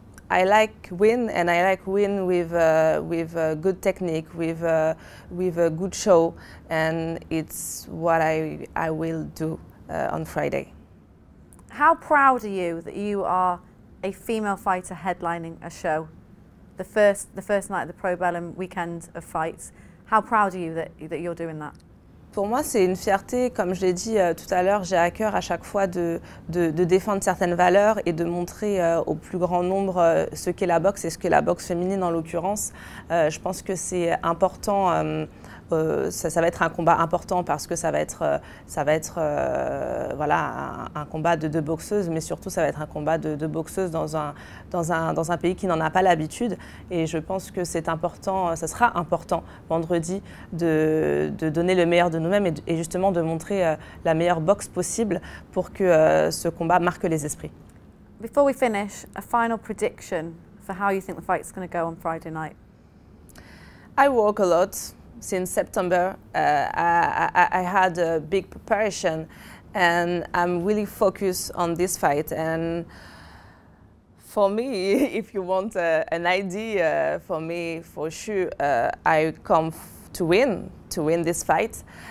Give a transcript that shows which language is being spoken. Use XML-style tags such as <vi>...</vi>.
<en>I like win, and I like win with a good technique, with a good show, and it's what I will do on Friday. How proud are you that you are a female fighter headlining a show, the first night of the Pro Bellum weekend of fights? How proud are you that you're doing that?</en> <fr>Pour moi, c'est une fierté. Comme je l'ai dit tout à l'heure, j'ai à cœur à chaque fois de défendre certaines valeurs et de montrer au plus grand nombre ce qu'est la boxe et ce qu'est la boxe féminine en l'occurrence. Je pense que c'est important ça va être un combat important parce que ça va être un combat de deux boxeuses, mais surtout ça va être un combat de deux boxeuses dans un pays qui n'en a pas l'habitude. Et je pense que c'est important, ça sera important vendredi de donner le meilleur de nous-mêmes et justement de montrer la meilleure boxe possible pour que ce combat marque les esprits.</fr> <en>Before we finish, a final prediction for how you think the fight's going to go on Friday night. I walk a lot since September. I had a big preparation and I'm really focused on this fight. And for me, if you want an idea for me, for sure, I come to win this fight.</en>